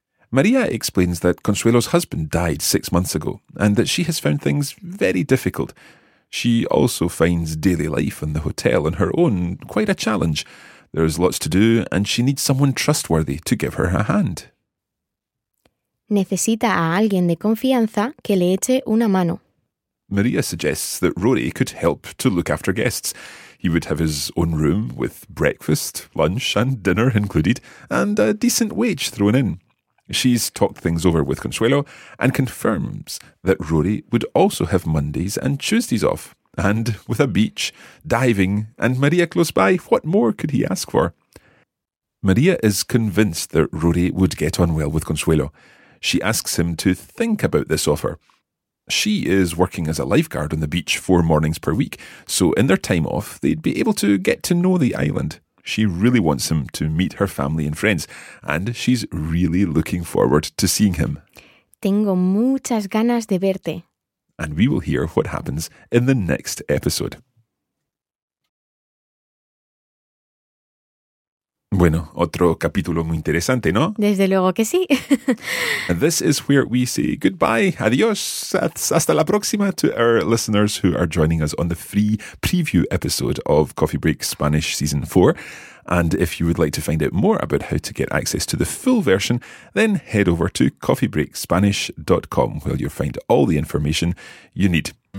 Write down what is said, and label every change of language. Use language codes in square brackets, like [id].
[en] Maria explains that Consuelo's husband died 6 months ago and that she has found things very difficult. She also finds daily life in the hotel on her own quite a challenge. There's lots to do and she needs someone trustworthy to give her a hand. [es] Necesita a alguien de confianza que le eche una mano. [en] Maria suggests that Rory could help to look after guests. He would have his own room with breakfast, lunch and dinner included, and a decent wage thrown in. She's talked things over with Consuelo and confirms that Rory would also have Mondays and Tuesdays off. And with a beach, diving and Maria close by, what more could he ask for? Maria is convinced that Rory would get on well with Consuelo. She asks him to think about this offer. She is working as a lifeguard on the beach 4 mornings per week, so in their time off, they'd be able to get to know the island. She really wants him to meet her family and friends, and she's really looking forward to seeing him. [es] Tengo muchas ganas de verte. [en] And we will hear what happens in the next episode. [es] Bueno, otro capítulo muy interesante, ¿no? Desde luego que sí. [en] And this is where we say goodbye, [es] adiós, hasta la próxima [en] to our listeners who are joining us on the free preview episode of Coffee Break Spanish Season 4. And if you would like to find out more about how to get access to the full version, then head over to coffeebreakspanish.com where you'll find all the information you need.